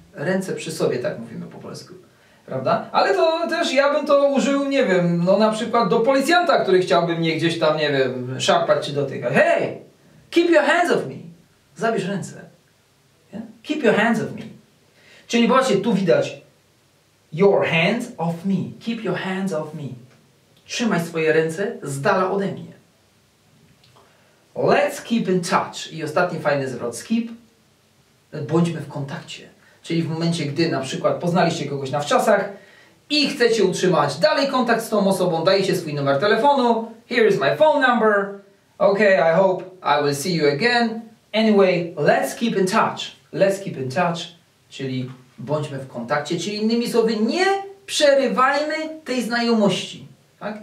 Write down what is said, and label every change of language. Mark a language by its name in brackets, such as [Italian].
[Polish] Ręce przy sobie, tak mówimy po polsku. Prawda? Ale to też ja bym to użył, nie wiem, no na przykład do policjanta, który chciałby mnie gdzieś tam, nie wiem, szarpać czy dotykać. [English] Hey, keep your hands off me. [Polish] Zabierz ręce. [English] Yeah? Keep your hands off me. [Polish] Czyli właśnie tu widać [English] your hands off me. Keep your hands off me. [Polish] Trzymaj swoje ręce z dala ode mnie. [English] Let's keep in touch. [Polish] I ostatni fajny zwrot. Skip. Bądźmy w kontakcie. Czyli w momencie, gdy na przykład poznaliście kogoś na wczasach i chcecie utrzymać dalej kontakt z tą osobą, dajcie swój numer telefonu. [English] Here is my phone number. Okay, I hope I will see you again. Anyway, let's keep in touch. Let's keep in touch. [Polish] Czyli bądźmy w kontakcie. Czyli innymi słowy, nie przerywajmy tej znajomości. Tak?